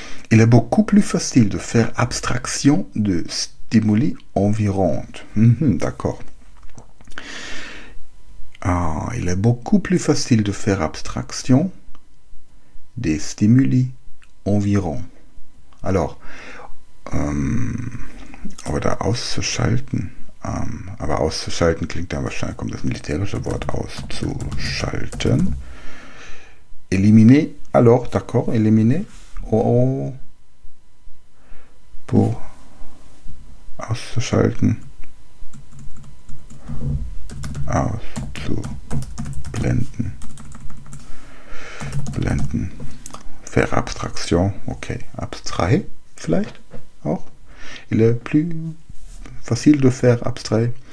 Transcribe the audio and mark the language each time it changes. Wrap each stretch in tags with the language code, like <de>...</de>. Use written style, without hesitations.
<fr>Il est beaucoup plus facile de faire abstraction de stimuli environnants. D'accord. Il est beaucoup plus facile de faire abstraction des stimuli environnants. Alors,</fr> <de>oder auszuschalten. Aber auszuschalten klingt dann wahrscheinlich, kommt das militärische Wort, auszuschalten.</de> <fr>Éliminer, alors, d'accord, éliminer. Pour auszuschalten.</fr> <de>Auszublenden. Blenden.</de> <fr>Faire abstraction, ok.</fr> <de>Abstrait, vielleicht, auch.</de> <fr>Il est plus facile de faire abstrait.</fr>